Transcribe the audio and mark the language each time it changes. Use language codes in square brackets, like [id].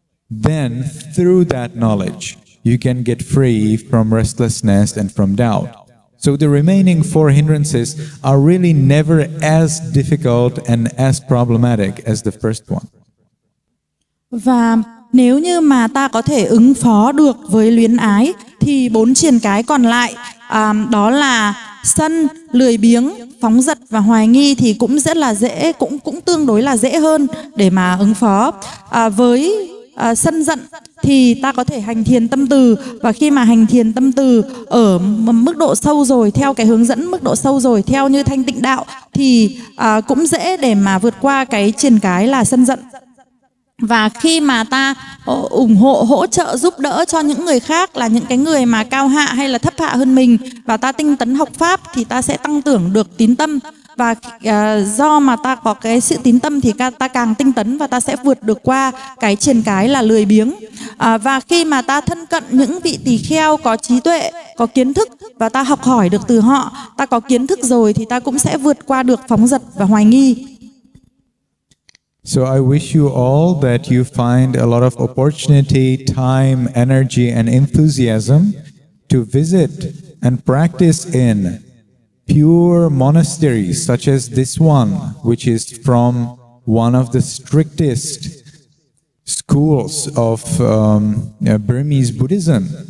[en] Then, through that knowledge, you can get free from restlessness and from doubt. So the remaining four hindrances are really never as difficult and as problematic as the first one. [vi] Và nếu như mà ta có thể ứng phó được với luyến ái, thì bốn triền cái còn lại, đó là sân, lười biếng, phóng dật và hoài nghi thì cũng rất là dễ, cũng tương đối là dễ hơn để mà ứng phó. Với sân giận thì ta có thể hành thiền tâm từ, và khi mà hành thiền tâm từ ở mức độ sâu rồi, theo cái hướng dẫn mức độ sâu rồi, theo như thanh tịnh đạo, thì cũng dễ để mà vượt qua cái triền cái là sân giận. Và khi mà ta ủng hộ, hỗ trợ, giúp đỡ cho những người khác là những cái người mà cao hạ hay là thấp hạ hơn mình, và ta tinh tấn học Pháp thì ta sẽ tăng trưởng được tín tâm. Và do mà ta có cái sự tín tâm thì ta càng tinh tấn và ta sẽ vượt được qua cái triền cái là lười biếng. Và khi mà ta thân cận những vị tỳ kheo có trí tuệ, có kiến thức và ta học hỏi được từ họ, ta có kiến thức rồi thì ta cũng sẽ vượt qua được phóng dật và hoài nghi. [en] So I wish you all that you find a lot of opportunity, time, energy, and enthusiasm to visit and practice in pure monasteries such as this one, which is from one of the strictest schools of Burmese Buddhism.